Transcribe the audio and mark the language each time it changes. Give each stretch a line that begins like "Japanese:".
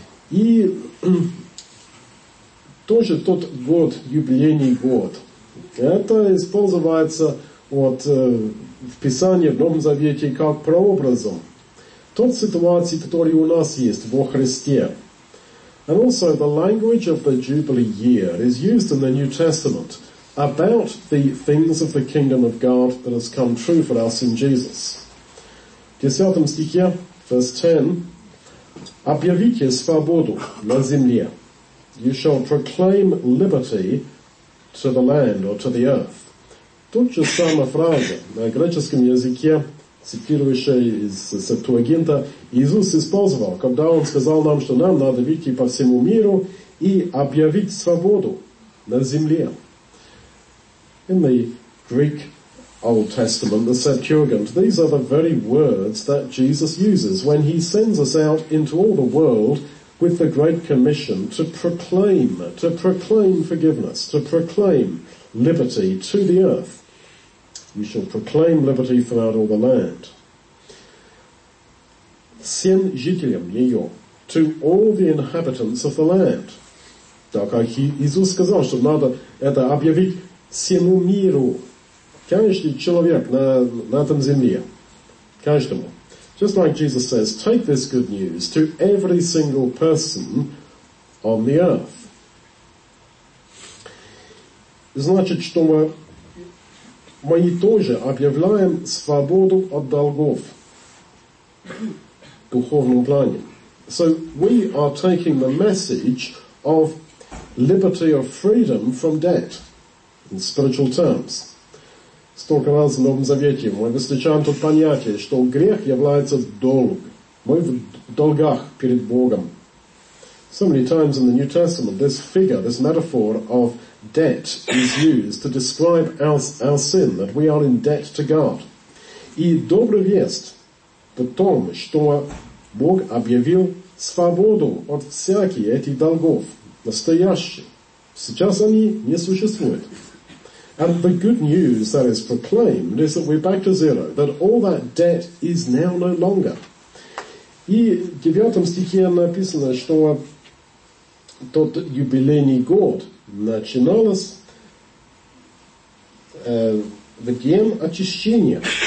Russian: И тоже тот год, юбилейный год. Это используется вот в Писании, в Новом Завете, как прообразом. Тот ситуации, который у нас есть во Христе.
English: And also the language of the Jubilee year is used in the New Testament about the things of the kingdom of God that has come true for us in Jesus.
Russian: В 10 стихе,
English: verse 10,
Russian: «Объявите свободу на земле».
English: You shall proclaim liberty to the land or to the earth.
Russian: Тут же самая фраза на греческом языке, цитирующая из Септуагинта, Иисус использовал, когда Он сказал нам, что нам надо выйти по всему миру и объявить свободу на земле.
English: In the Greek Old Testament, the Septuagint, these are the very words that Jesus uses when he sends us out into all the world with the Great Commission to proclaim forgiveness, to proclaim liberty to the earth. You shall proclaim liberty throughout all the land.
Russian: Всем жителям ее,
English: to all the inhabitants of the land.
Russian: Так Иисус сказал, что надо это объявить всему миру. Каждый человек на этом земле. Каждому.
English: Just like Jesus says, take this good news to every single person on the earth.
Russian: Значит, что мы тоже объявляем свободу от долгов в духовном плане.
English: So we are taking the message of liberty of freedom from debt in spiritual terms.
Russian: Столько раз в Новом Завете мы встречаем тут понятие, что грех является долг. Мы в долгах перед Богом.
English: So many times in the New Testament this figure, this metaphor of debt is used to describe our sin, that we are in debt to God.
Russian: И добрая весть в том, что Бог объявил свободу от всяких этих долгов, настоящих. Сейчас они не существуют.
English: And the good news that is proclaimed is that we're back to zero, that all that debt is now no longer.
Russian: И в 9 стихе написано, что тот юбилейный год начинался в день очищения.